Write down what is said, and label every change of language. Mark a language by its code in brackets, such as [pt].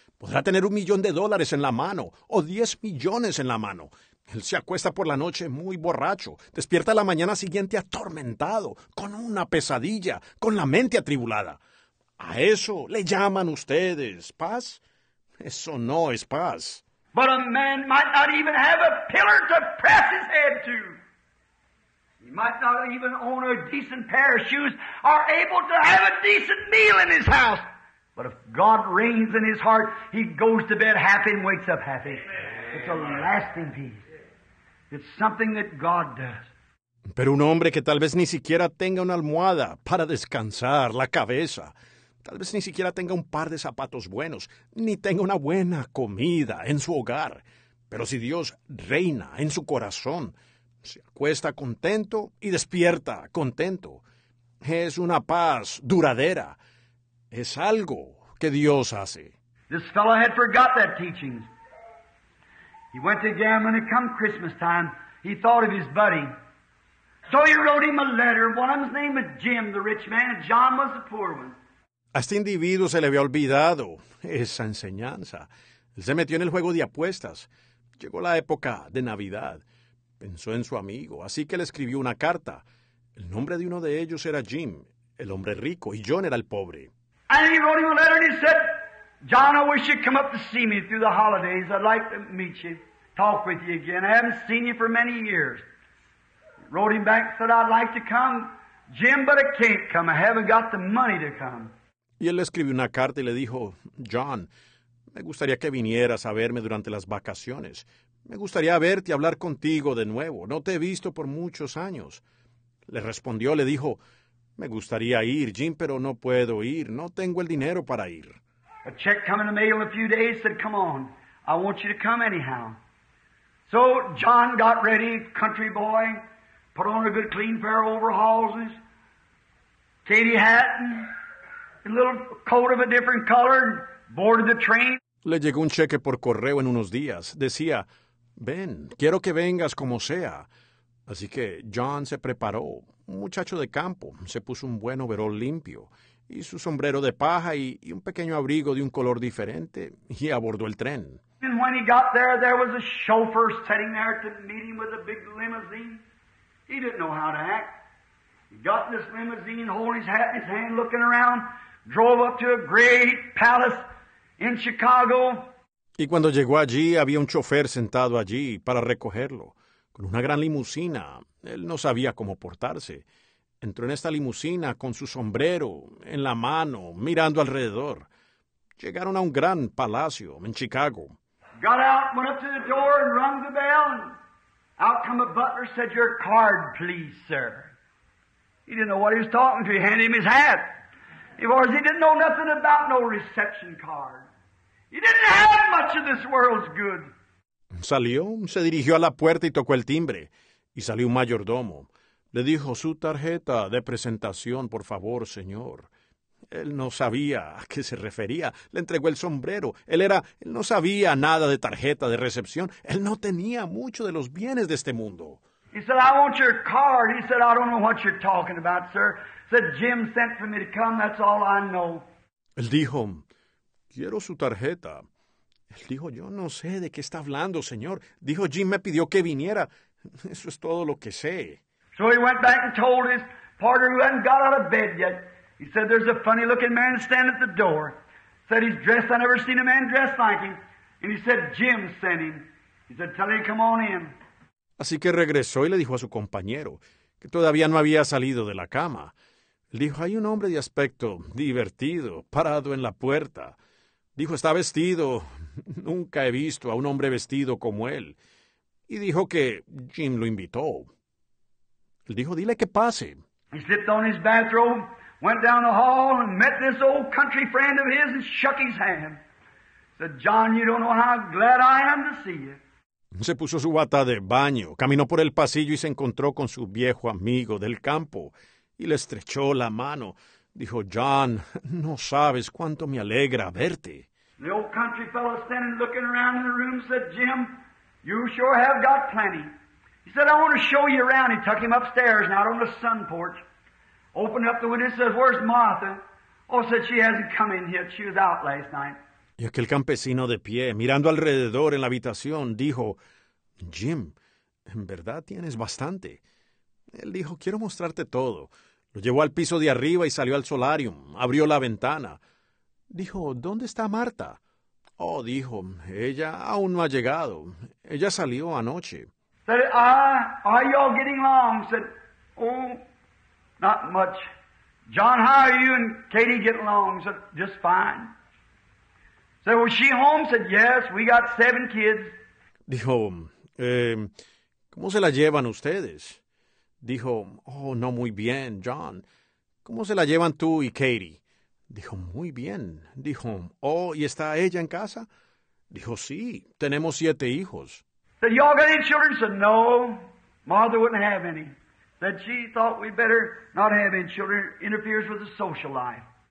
[es] Podrá tener $1,000,000 en la mano, o 10 millones en la mano. Él se acuesta por la noche muy borracho, despierta a la mañana siguiente atormentado, con una pesadilla, con la mente atribulada. ¿A eso le llaman ustedes paz? Eso no es paz. [en] But a man might not even have a pillar to press his head to. He might not even own a decent pair of shoes or able to have a decent meal in his house. But if God reigns in his heart, he goes to bed happy and wakes up happy. Amen. It's a lasting peace. It's something that God does. [es] Pero un hombre que tal vez ni siquiera tenga una almohada para descansar la cabeza, tal vez ni siquiera tenga un par de zapatos buenos, ni tenga una buena comida en su hogar. Pero si Dios reina en su corazón, se acuesta contento y despierta contento. Es una paz duradera. Es algo que Dios hace. [en] This fellow had forgot that teaching. He went to gambling and come Christmas time, he thought of his buddy. So he wrote him a letter. One of them's name was Jim, the rich man, and John was the poor one. [es] A este individuo se le había olvidado esa enseñanza. Él se metió en el juego de apuestas. Llegó la época de Navidad. Pensó en su amigo, así que le escribió una carta. El nombre de uno de ellos era Jim, el hombre rico, y John era el pobre. [en] And he wrote him a letter and he said, John, I wish you'd come up to see me through the holidays. I'd like to meet you, talk with you again. I haven't seen you for many years. Wrote him back and said, I'd like to come, Jim, but I can't come. I haven't got the money to come. [es] Y él le escribió una carta y le dijo, John, Me gustaría que vinieras a verme durante las vacaciones. Me gustaría verte y hablar contigo de nuevo. No te he visto por muchos años. Le respondió, le dijo, me gustaría ir, Jim, pero no puedo ir. No tengo el dinero para ir. [en] A check came in the mail a few days, said, come on, I want you to come anyhow. So John got ready, country boy, put on a good clean pair of overhauses, Katie Hatton, a little coat of a different color, and boarded the train. [es] Le llegó un cheque por correo en unos días. Decía, ven, quiero que vengas como sea. Así que John se preparó, un muchacho de campo, se puso un buen overol limpio y su sombrero de paja y un pequeño abrigo de un color diferente y abordó el tren. [en] And when he got there, there was a chauffeur sitting there to meet him with a big limousine. He didn't know how to act. He got in this limousine, holding his hat in his hand, looking around, drove up to a great palace in Chicago. [es] Y cuando llegó allí, había un chofer sentado allí para recogerlo, con una gran limusina. Él no sabía cómo portarse. Entró en esta limusina con su sombrero en la mano, mirando alrededor. Llegaron a un gran palacio en Chicago. [en] Got out, went up to the door and rung the bell. And out come a butler, said, your card, please, sir. He didn't know what he was talking to. He handed him his hat. He didn't know nothing about no reception card. He didn't have much of this world's good. [es] Salió, se dirigió a la puerta y tocó el timbre. Y salió un mayordomo. Le dijo, su tarjeta de presentación, por favor, señor. Él no sabía a qué se refería. Le entregó el sombrero. Él no sabía nada de tarjeta de recepción. Él no tenía mucho de los bienes de este mundo. [en] He said, I want your card. He said, I don't know what you're talking about, sir. He said, Jim sent for me to come. That's all I know. [es] Él dijo, quiero su tarjeta. Él dijo, yo no sé de qué está hablando, señor. Dijo, Jim me pidió que viniera. Eso es todo lo que sé. [en] So he went back and told his partner who hadn't got out of bed yet. He said, there's a funny looking man standing at the door. Said he's dressed, I never seen a man dressed like him. And he said, Jim sent him. He said, tell him to come on in. [es] Así que regresó y le dijo a su compañero, que todavía no había salido de la cama. Él dijo, hay un hombre de aspecto divertido, parado en la puerta. Dijo, está vestido. Nunca he visto a un hombre vestido como él. Y dijo que Jim lo invitó. Él dijo, dile que pase. [en] He slipped on his bathrobe, went down the hall and met this old country friend of his and shook his hand. Said, John, you don't know how glad I am to see you. [es] Se puso su bata de baño, caminó por el pasillo y se encontró con su viejo amigo del campo y le estrechó la mano. Dijo, John, no sabes cuánto me alegra verte. [en] The old country fellow standing looking around in the room said, Jim, you sure have got plenty. He said, I want to show you around. He took him upstairs and out on the sun porch. Opened up the window and says, where's Martha? Oh, said, she hasn't come in yet. She was out last night. [es] Y aquel campesino de pie, mirando alrededor en la habitación, dijo, Jim, en verdad tienes bastante. Él dijo, quiero mostrarte todo. Lo llevó al piso de arriba y salió al solarium. Abrió la ventana. Dijo, ¿dónde está Martha? Oh, dijo, ella aún no ha llegado. Ella salió anoche. [en] Said, ah, are you all getting along? Said, oh, not much. John, how are you and Katie getting along? Said, just fine. Said, was she home? Said, yes, we got 7 kids. [es] Dijo, ¿cómo se la llevan ustedes? Dijo, oh, no muy bien, John. ¿Cómo se la llevan tú y Katie? Dijo, muy bien. Dijo, oh, ¿y está ella en casa? Dijo, sí, tenemos 7 hijos. [en] Said, you all got any children? Said, no, Martha wouldn't have any. Said, she thought we better not have any children. It interferes with the social life.